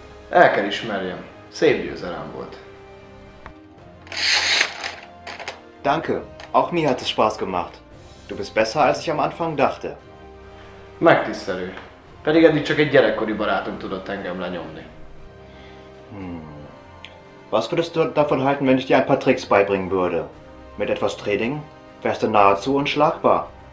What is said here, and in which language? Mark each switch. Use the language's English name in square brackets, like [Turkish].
[Hungarian] El kell ismerjem. Szép győzelem volt. [German] Danke. Auch mir hat es Spaß gemacht. Du bist besser, als ich am Anfang dachte. [Hungarian] Megtisztelő. Pedig eddig csak egy gyerekkori barátom tudott engem lenyomni. [German] Was würdest du davon halten, wenn ich dir ein paar Tricks beibringen würde? Mit etwas Training wärst du nahezu unschlagbar.